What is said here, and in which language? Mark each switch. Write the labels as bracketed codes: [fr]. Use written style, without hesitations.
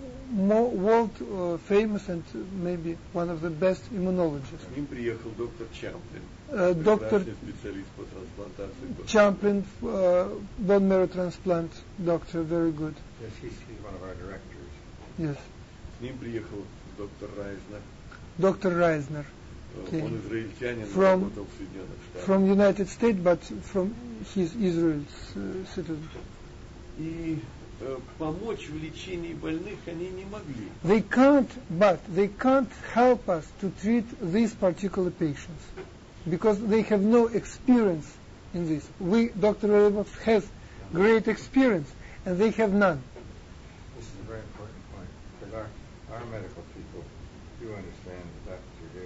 [en] More world famous and maybe one of the best immunologists. [ru] К ним приехал доктор Чамплин. Доктор специалист по трансплантации. [en] Чамплин, bone marrow transplant doctor, very good. Yes, he's one of our directors. Yes. [ru] К ним приехал доктор Райзнер. Доктор Райзнер. Он израильтянин, работал в Соединенных Штатах. [en] From United States, but from his Israel citizen. [ru] И помочь в лечении больных они не могли. [en] They can't, but they can't help us to treat these particular patients, because they have no experience in this. We, Dr. Ravov, has great experience, and they have none. This is a very important point, because our medical people do understand that Dr.